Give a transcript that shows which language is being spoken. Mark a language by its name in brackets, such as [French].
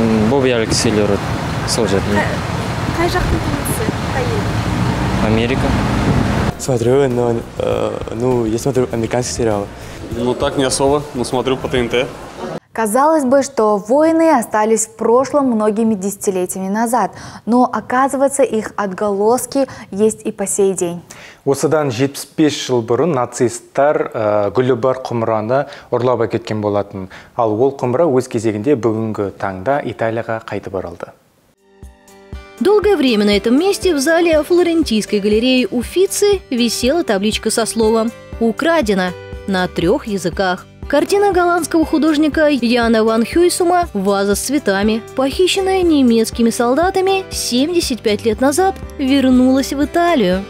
[Kazakh] Бұл бі әліксейлері сол жәрдің. Қай жақтың кемесі? Америка. [Russian] Смотрю, но я смотрю американский сериал. Ну так не особо, но смотрю по ТНТ. Казалось бы, что войны остались в прошлом многими десятилетиями назад, но оказывается, их отголоски есть и по сей день. [Kazakh] Осыдан 75 жыл бұрын нацистар Гүлібар құмыраны ұрлап әкеткен болатын. Ал ол құмыра өз кезегінде бүгінгі таңда Италияға қайтып оралды. [Russian] Долгое время на этом месте в зале Флорентийской галереи Уффици висела табличка со словом «Украдено» на трех языках. Картина голландского художника Яна ван Хюйсума «Ваза с цветами», похищенная немецкими солдатами 75 лет назад, вернулась в Италию.